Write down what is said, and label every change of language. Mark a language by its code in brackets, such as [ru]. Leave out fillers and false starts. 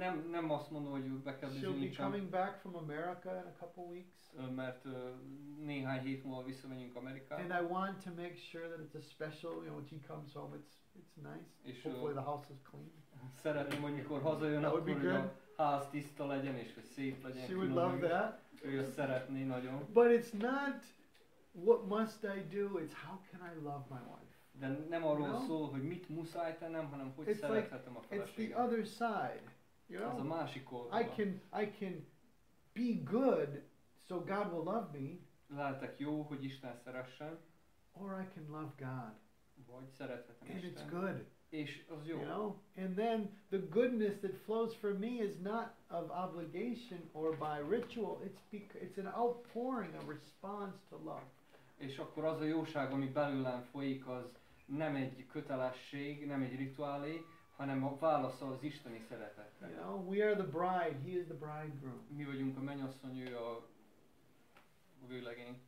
[hu] Nem azt mondom, hogy be kell bizonyítsam. [en] She'll be coming back from America in a couple weeks. [hu] Mert néhány hét múlva visszamegyünk Amerikába. [en] And I want to make sure that it's a special, you know, when she comes home, it's nice. [hu] És [en] hopefully the house is clean. [hu] Szeretném, hogy mikor hazajön, akkor a ház tiszta legyen és hogy szép legyen. [en] She would love that. [hu] Ő szeretné nagyon. [en] But it's not what must I do, it's how can I love my wife. [hu] De nem arról szól, hogy mit muszáj tennem, hanem hogy [en] it's [hu] szerethetem [en] like, [hu] a feleséget. [en] It's the other side, you know? [hu] Az a másik oldal. [en] I can be good, so God will love me. [hu] Lehetek jó, hogy Isten szeressen. [en] Or I can love God. [hu] Vagy szerethetem [en] and [hu] Isten. [en] It's good. [hu] És az jó. [en] You know? And then the goodness that flows from me is not of obligation or by ritual. It's an outpouring, a response to love. [hu] És akkor az a jóság, ami belőlem folyik, az nem egy kötelesség, nem egy rituálé, hanem a válasz az isteni szeretetre. [en] You know, we are the bride, he is the bridegroom. [hu] Mi vagyunk a mennyasszony, ő a vőlegény.